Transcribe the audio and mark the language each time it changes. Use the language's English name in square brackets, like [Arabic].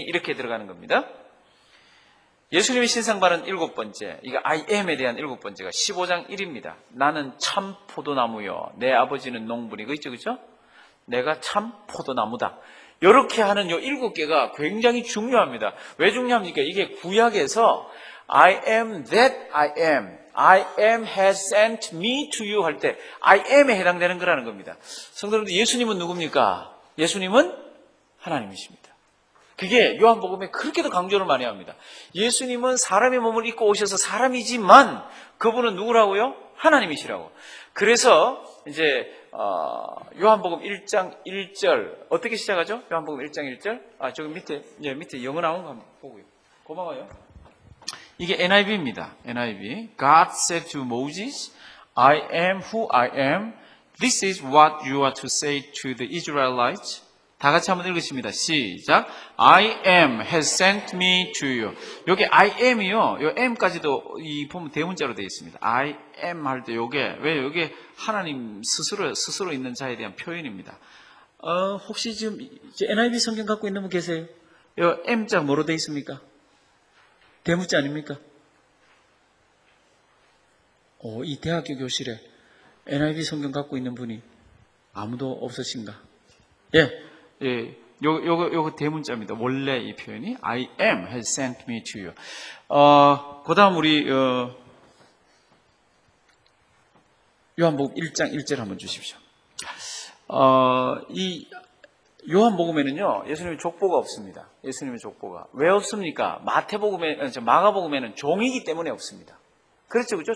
[Korean] 이렇게 들어가는 겁니다. 예수님의 신상발언 일곱 번째, 이거 I am에 대한 일곱 번째가 15장 1입니다. 나는 참 포도나무요. 내 아버지는 농부니. 그 있죠, 그죠? 내가 참 포도나무다. 이렇게 하는 요 일곱 개가 굉장히 중요합니다. 왜 중요합니까? 이게 구약에서 [English] I am that I am. I am has sent me to you [Korean] 할 때 [English] I am에 [Korean] 해당되는 거라는 겁니다. 성도님들, 예수님은 누굽니까? 예수님은 하나님이십니다. 그게 요한복음에 그렇게도 강조를 많이 합니다. 예수님은 사람의 몸을 입고 오셔서 사람이지만 그분은 누구라고요? 하나님이시라고. 그래서 이제 요한복음 1장 1절 어떻게 시작하죠? 요한복음 1장 1절. 아, 저기 밑에, 예, 밑에 영어 나온 거 한번 보고요. 고마워요. 이게 NIV입니다. NIV. [English] God said to Moses, I am who I am. This is what you are to say to the Israelites. [Korean] 다 같이 한번 읽으십니다. 시작. [English] I am has sent me to you. [Korean] 여기 I am이요. 요 am까지도 이 보면 대문자로 되어 있습니다. I am 할 때 요게 왜 요게 하나님 스스로 있는 자에 대한 표현입니다. 혹시 지금 NIV 성경 갖고 있는 분 계세요? 요 m자 뭐로 되어 있습니까? 대문자 아닙니까? 이 대학교 교실에 NIV 성경 갖고 있는 분이 아무도 없으신가? 예. 예, 요거 대문자입니다. 원래 이 표현이 [English] I am has sent me to you. [Korean] 그다음 우리 요한복음 1장 1절 한번 주십시오. 이 요한복음에는요, 예수님의 족보가 없습니다. 예수님의 족보가. 왜 없습니까? 마가복음에는 종이기 때문에 없습니다. 그렇죠, 그죠?